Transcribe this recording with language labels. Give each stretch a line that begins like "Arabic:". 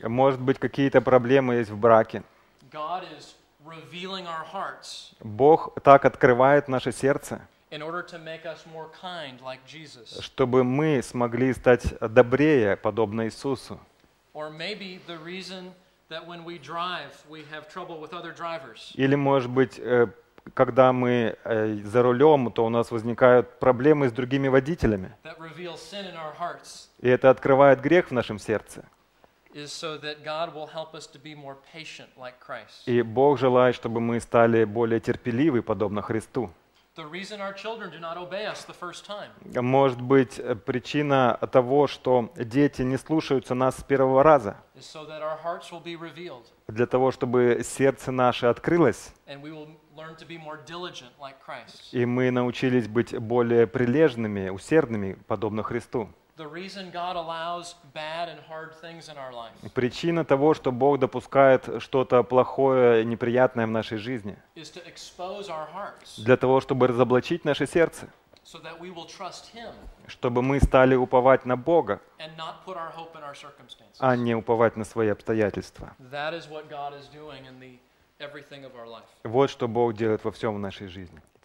Russian: Может быть, какие-то проблемы есть в браке.
English: God is revealing our hearts.
Russian: Бог так открывает наше сердце.
English: In order to make us more kind like Jesus.
Russian: Чтобы мы смогли стать добрее, подобно Иисусу.
English: Or maybe the reason that when we drive we have trouble with other drivers.
Russian: Или, может быть, когда мы за рулем, то у нас возникают проблемы с другими водителями.
English: That reveals sin in our hearts.
Russian: И это открывает грех в нашем сердце.
English: Is so that God will help us to be more patient like Christ.
Russian: И Бог желает, чтобы мы стали более терпеливы, подобно Христу.
English: The reason our children do not obey us the first time.
Russian: Может быть, причина того, что дети не слушаются нас с первого раза.
English: Is so that our hearts will be revealed.
Russian: Для того, чтобы сердце наше открылось.
English: And we will learn to be more diligent like Christ.
Russian: И мы научились быть более прилежными, усердными, подобно Христу.
English: The reason God allows bad and hard things in our life.
Russian: Причина того, что Бог допускает что-то плохое и неприятное в нашей жизни.
English: Is to expose our hearts.
Russian: Для того, чтобы разоблачить наше сердце.
English: So that we will trust him.
Russian: Чтобы мы стали уповать на Бога.
English: And not put our hope in our circumstances.
Russian: А не уповать на свои обстоятельства.
English: That is what God is doing in the everything of our life.
Russian: Вот что Бог делает во всём в нашей жизни.